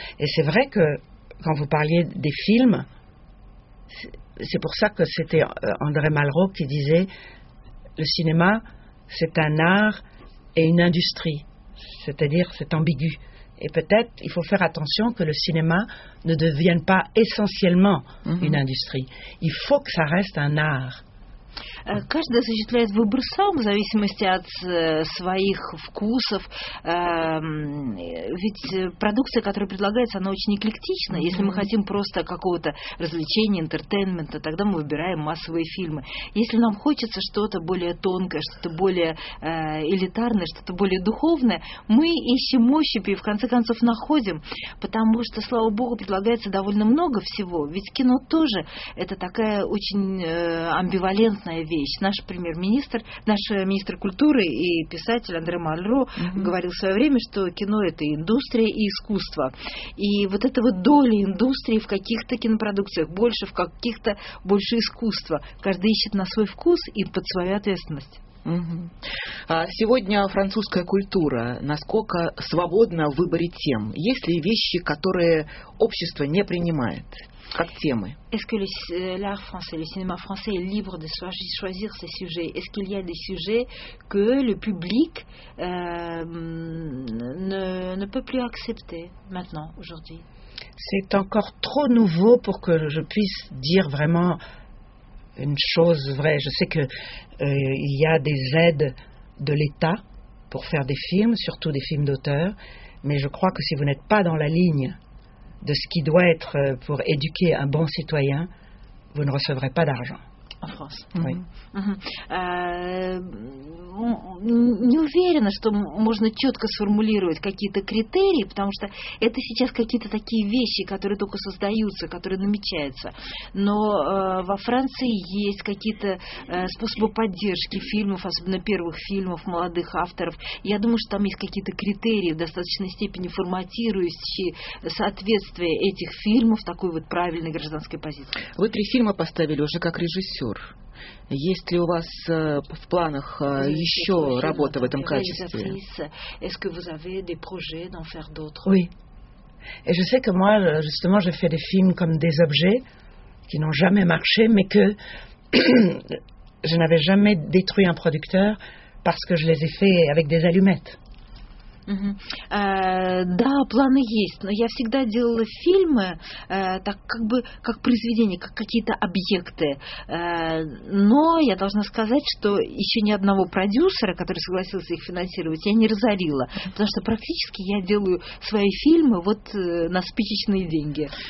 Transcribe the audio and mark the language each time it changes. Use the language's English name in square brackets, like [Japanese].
[French] Et c'est vrai que quand vous parliez des films, c'est pour ça que c'était André Malraux qui disait le cinéma, c'est un art et une industrie. C'est-à-dire, c'est ambigu. Et peut-être, il faut faire attention que le cinéma ne devienne pas essentiellement une industrie. Il faut que ça reste un art. [Russian] Каждый осуществляет выбор сам, в зависимости от своих вкусов. Ведь продукция, которая предлагается, она очень эклектична. Mm-hmm. Если мы хотим просто какого-то развлечения, интертейнмента, тогда мы выбираем массовые фильмы. Если нам хочется что-то более тонкое, что-то более элитарное, что-то более духовное, мы ищем ощупь и в конце концов находим. Потому что, слава богу, предлагается довольно много всего. Ведь кино тоже это такая очень амбивалентная вещь. Наш премьер-министр, наш министр культуры и писатель Андре Мальро говорил в свое время, что кино это индустрия и искусство. И вот эта вот доля индустрии в каких-то кинопродукциях больше, в каких-то больше искусства. Каждый ищет на свой вкус и под свою ответственность. А сегодня французская культура насколько свободна в выборе тем? Есть ли вещи, которые общество не принимает? Как темы? [French] Est-ce que l'art français, le cinéma français est libre de choisir ses sujets? Est-ce qu'il y a des sujets que le public ne peut plus accepter maintenant, aujourd'hui? C'est encore trop nouveau pour que je puisse dire vraiment une chose vraie. Je sais que il y a des aides de l'État pour faire des films, surtout des films d'auteur, mais je crois que si vous n'êtes pas dans la ligne de ce qui doit être pour éduquer un bon citoyen, vous ne recevrez pas d'argent. En France. Oui. [Russian] Не уверена, что можно четко сформулировать какие-то критерии, потому что это сейчас какие-то такие вещи, которые только создаются, которые намечаются. Но во Франции есть какие-то способы поддержки фильмов, особенно первых фильмов молодых авторов. Я думаю, что там есть какие-то критерии в достаточной степени форматирующие соответствие этих фильмов такой вот правильной гражданской позиции. Вы 3 фильма поставили уже как режиссер. Есть ли у вас в планах еще работа в этом качестве? [French] Est-ce que vous avez des projets d'en faire d'autres? Oui. Et je sais que moi, justement, j'ai fait des films comme des objets qui n'ont jamais marché, mais que je n'avais jamais détruit un producteur parce que je les ai fait avec des allumettes. [Russian] Да, планы есть, но я всегда делала фильмы так как бы как произведения, как какие-то объекты. Но я должна сказать, что еще ни одного продюсера, который согласился их финансировать, я не разорила, потому что практически я делаю свои фильмы вот на спичечные деньги.